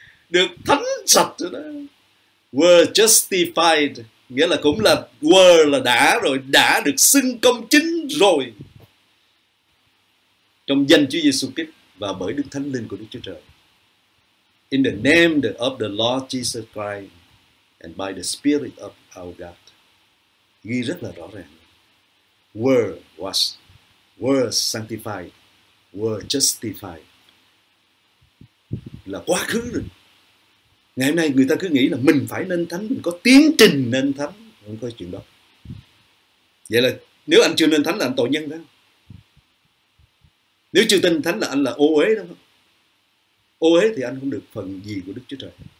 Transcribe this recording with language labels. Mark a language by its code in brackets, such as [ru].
[vi] Được thánh sạch rồi đó. [en] Were justified. [vi] Nghĩa là cũng là were là đã rồi, đã được xưng công chính rồi trong danh Chúa Giêsu Christ và bởi Đức Thánh Linh của Đức Chúa Trời. [en] In the name of the Lord Jesus Christ and by the Spirit of our God. [vi] Ghi rất là rõ ràng. [en] Were washed, were sanctified, were justified. [vi] Là quá khứ rồi. Ngày hôm nay người ta cứ nghĩ là mình phải nên thánh, mình có tiến trình nên thánh, không có chuyện đó. Vậy là nếu anh chưa nên thánh là anh tội nhân đó. Nếu chưa tin thánh là anh là ô uế đó. Ô uế thì anh không được phần gì của Đức Chúa Trời.